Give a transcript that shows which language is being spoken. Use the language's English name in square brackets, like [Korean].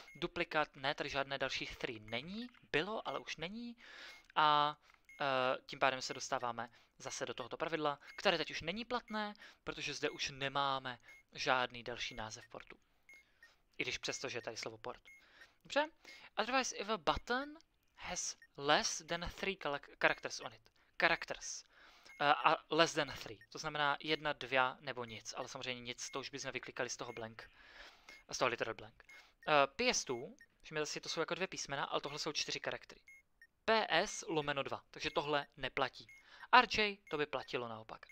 [Czech] Duplikat, ne, tady žádné další three není. Bylo, ale už není. A tím pádem se dostáváme zase do tohoto pravidla, které teď už není platné, protože zde už nemáme žádný další název portu. I když přesto, že je tady slovo port. Dobře. [English] Otherwise, if a button has less than three characters on it. Characters. A less than three. [Czech] To znamená jedna, dvě nebo nic. Ale samozřejmě nic, to už bychom vyklikali z toho blank. Z toho literal blank. PS2, všimněte si, to jsou jako dvě písmena, ale tohle jsou čtyři charaktery. PS/2, takže tohle neplatí. RJ, to by platilo naopak.